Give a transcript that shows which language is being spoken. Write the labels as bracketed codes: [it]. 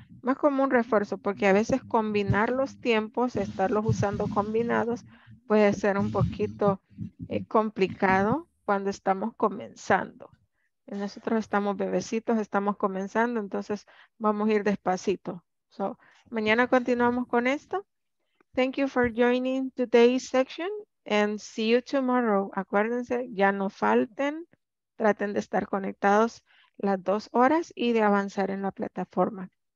[es] Más como un refuerzo, porque a veces combinar los tiempos, estarlos usando combinados, puede ser un poquito complicado cuando estamos comenzando. Nosotros estamos bebecitos, estamos comenzando, entonces vamos a ir despacito. So, mañana continuamos con esto. [en] Thank you for joining today's section and see you tomorrow. [es] Acuérdense, ya no falten. Traten de estar conectados las 2 horas y de avanzar en la plataforma.